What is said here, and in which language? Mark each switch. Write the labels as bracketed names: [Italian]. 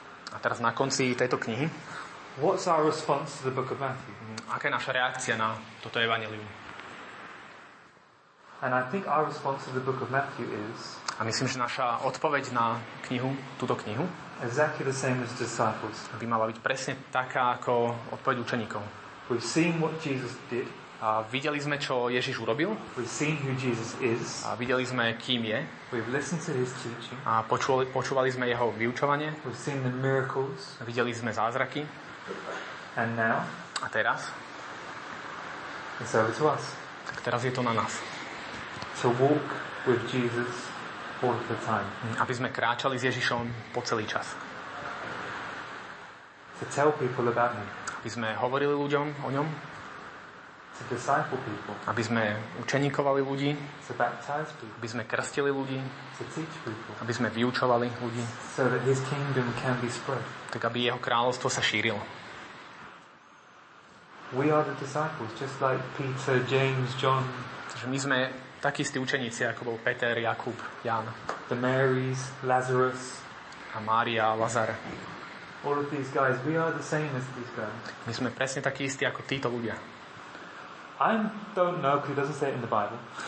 [Slovak] a teraz na konci tejto knihy, [English] what's our response to the book of Matthew? [Slovak] Aká je naša reakcia na toto evanjelium? [English] And I think our response to the book of Matthew is, [Slovak] a myslím, že naša odpoveď na knihu, túto knihu, [English] exactly the same as disciples. [Slovak] By mala byť presne taká ako odpoveď učeníkov. [English] We've seen what Jesus did. [Slovak] A videli sme, čo Ježiš urobil. [English] We've seen who Jesus is. [Slovak] A videli sme, kým je. [English] We've listened to his teaching. [Slovak] A počúvali sme jeho vyučovanie. [English] We've seen the miracles. [Slovak] A videli sme zázraky. [English] And now, [Slovak] a teraz, [English] it's over to us. [Slovak] Tak teraz je to na nás. [English] To walk with Jesus all the time. [Slovak] Aby sme kráčali s Ježišom po celý čas. [English] To tell people about him. [Slovak] Aby sme hovorili ľuďom o ňom. [English] To disciple people. [Slovak] Aby sme učeníkovali ľudí. [English] To baptize people. [Slovak] Aby sme krstili ľudí. [English] To teach people. [Slovak] Aby sme vyučovali ľudí. [English] So that his kingdom can be spread. [Slovak] Tak aby jeho kráľovstvo sa šírilo. [English] We are the disciples, just like Peter, James, John. [Slovak] Takže my sme takí istí učeníci, ako bol Peter, Jakub, Ján. [English] The Marys, Lazarus. [Slovak] A Mária, Lazar. [English] All of these guys, we are the same as these guys. [Slovak] My sme presne takí istí, ako títo ľudia. [English] I don't know, because it doesn't say it in the Bible.